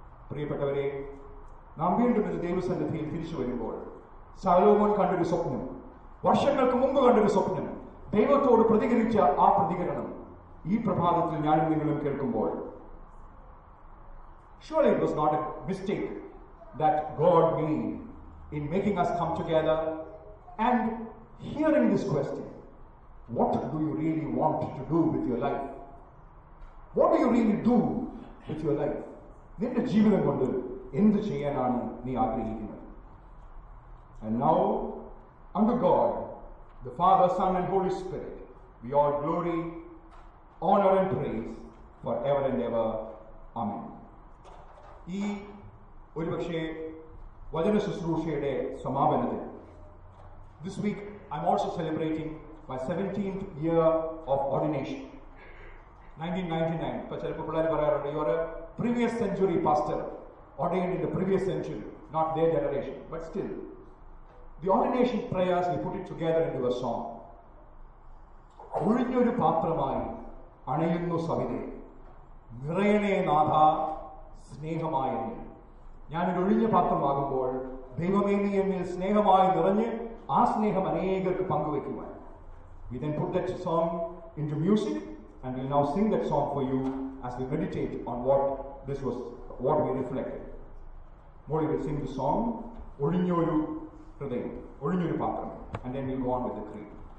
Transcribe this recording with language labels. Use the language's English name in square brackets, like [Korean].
[Malayalam] പ്രിയപ്പെട്ടവരെ, നാം വീണ്ടും ഇത് ദൈവസന്നിധിയിൽ തിരിച്ചു വരുമ്പോൾ സലോമോൻ കണ്ടൊരു സ്വപ്നം, വർഷങ്ങൾക്ക് മുമ്പ് കണ്ടൊരു സ്വപ്നം, ദൈവത്തോട് പ്രതികരിച്ച ആ പ്രതികരണം ഈ പ്രഭാതത്തിൽ ഞാനും നിങ്ങളും കേൾക്കുമ്പോൾ, [English] surely it was not a mistake that God made in making us come together and hearing this question, what do you really want to do with your life? What do you really do with your life? [Malayalam] നിന്റെ ജീവിതം കൊണ്ട് എന്ത് ചെയ്യാനാണ് നീ ആഗ്രഹിക്കുന്നത്? [English] And now, unto God, the Father, Son, and Holy Spirit, be all glory, honor, and praise forever and ever. Amen. [Malayalam] ഈ ഒരുപക്ഷേ വചന ശുശ്രൂഷയുടെ സമാപനത്തിൽ, [English] this week I'm also celebrating my 17th year of ordination. 1999. [Malayalam] ഇപ്പൊ ചിലപ്പോൾ പിള്ളേർ പറയാറുണ്ട്, [English] Your previous century pastor, ordained in the previous century, not they generation, but still the ordination prayers we put it together in the song. [Malayalam] ഒഴിഞ്ഞൊരു പാത്രമായി അണയുന്നു സവിതേ, നിറയണേ നാഥ സ്നേഹമായ നീ. ഞാനൊരു ഒഴിഞ്ഞ പാത്രമാകുമ്പോൾ ദൈവമേ നീ എന്നിൽ സ്നേഹമായി നിറഞ്ഞ് ആ സ്നേഹം അനേകർക്ക് പങ്കുവയ്ക്കുവാൻ. [English] We then put that song into music. And we'll now sing that song for you as we meditate on what we reflect. Molly will sing the song, Olinyoru Hrudayam, Olinyoru Patram, and then we'll go on with the creed.